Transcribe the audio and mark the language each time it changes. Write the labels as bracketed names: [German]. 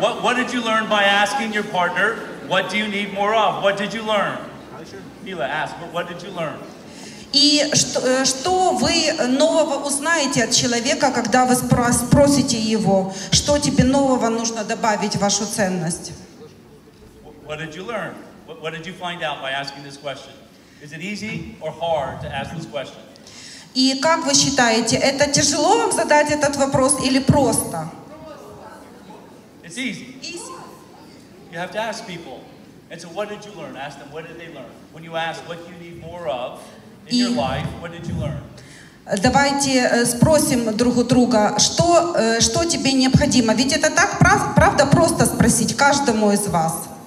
[English] What did you learn by asking your partner, what do you need more of? What did you learn? Mila asked, but what did you learn? [Russian] И что вы нового узнаете от человека, когда вы спросите его, что тебе нового нужно добавить в вашу ценность? [English] What did you learn? What did you find out by asking this question? Is it easy or hard to ask this question? [Russian] И как вы считаете, это тяжело вам задать этот вопрос или просто? [English] It's easy. Easy. You have to ask people. And so what did you learn? Ask them, what did they learn? When you ask, what do you need more of in your life, what did you learn? [Russian] Давайте спросим друг у друга, что тебе необходимо? Ведь это так, правда, просто спросить каждому из вас.